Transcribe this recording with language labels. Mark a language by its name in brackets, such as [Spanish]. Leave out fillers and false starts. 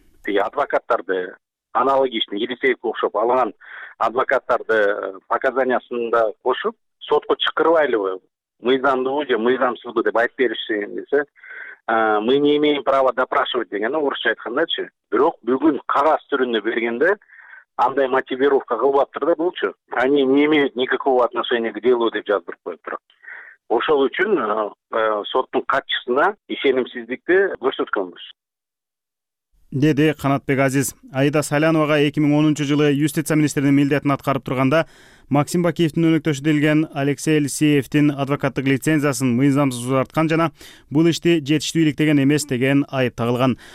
[Kyrgyz] Адвокаттарды аналогичный Елисеевке окшоп алган адвокаттарды показаниясын да кошуп сотко чакырбайлыбы, мыйзамдуубу же мыйзамсызбы деп айтып беришсин десе, [Russian] мы не имеем права допрашивать [Kyrgyz] деген, орусча айткандачы. Бирок бүгүн кагаз түрүндө бергенде андай мотивировка кылбаптыр да булчу. [Russian] Они не имеют никакого отношения к делу [Kyrgyz] деп жаздырып коюптур. Ошол үчүн соттун катчысына ишенимсиздикти көрсөткөнбүз, деди Канатбек Азиз. Аида Салянова 2010 жылы юстиция министринин милдетин аткарып турганда Максим Бакиевдин өнөктөшү делген Алексей Елисеевдин адвокаттык лицензиясын мыйзамсыз узарткан жана бул ишти жетиштүү иликтеген эмес деген айып тагылган.